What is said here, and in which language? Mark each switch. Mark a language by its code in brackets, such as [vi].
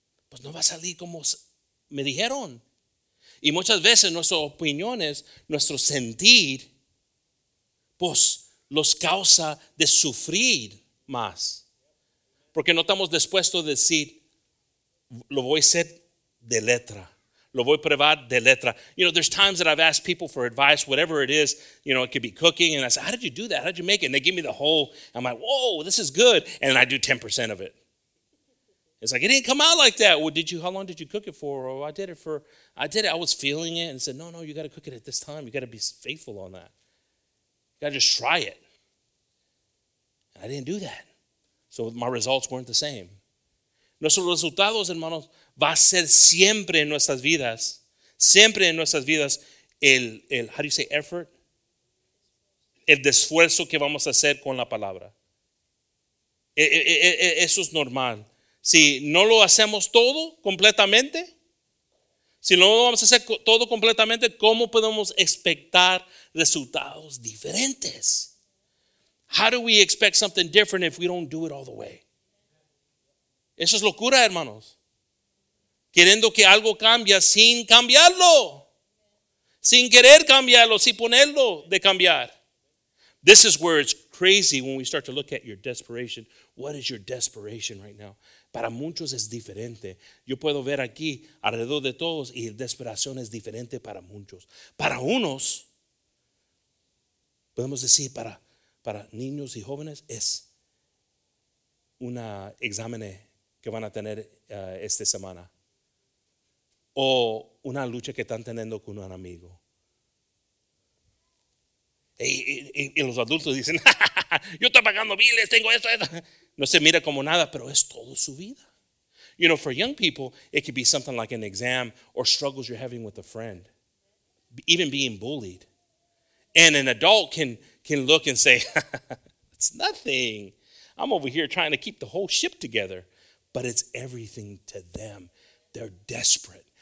[es] Pues no va a salir como me dijeron. Y muchas veces nuestras opiniones, nuestro sentir, pues los causa de sufrir más. Porque no estamos dispuestos a decir, lo voy a hacer de letra. Lo voy a probar de letra. [en] You know, there's times that I've asked people for advice, whatever it is, you know, it could be cooking. And I say, how did you do that? How did you make it? And they give me the whole, I'm like, whoa, this is good. And then I do 10% of it. It's like, it didn't come out like that. Well, how long did you cook it for? Oh, I did it. I was feeling it and said, no, you got to cook it at this time. You got to be faithful on that. You got to just try it. And I didn't do that. So my results weren't the same. [es] Nuestros resultados, hermanos, va a ser siempre en nuestras vidas. Siempre en nuestras vidas el, [en] how do you say, effort? [es] El esfuerzo que vamos a hacer con la palabra. Eso es normal. Si no lo hacemos todo completamente, si no lo vamos a hacer todo completamente, ¿cómo podemos expectar resultados diferentes? [en] How do we expect something different if we don't do it all the way? [es] Eso es locura, hermanos. Queriendo que algo cambie sin cambiarlo. Sin querer cambiarlo, sin ponerlo de cambiar. [en] This is where it's crazy when we start to look at your desperation. What is your desperation right now? [es] Para muchos es diferente. Yo puedo ver aquí alrededor de todos y desesperación es diferente para muchos. Para unos, podemos decir para niños y jóvenes es un examen que van a tener esta semana. O una lucha que están teniendo con un amigo. Y los adultos dicen, yo estoy pagando biles, tengo esto. No se mira como nada, pero es todo su vida. [en] You know, for young people, it could be something like an exam or struggles you're having with a friend. Even being bullied. And an adult can look and say, it's nothing. I'm over here trying to keep the whole ship together. But it's everything to them. They're desperate.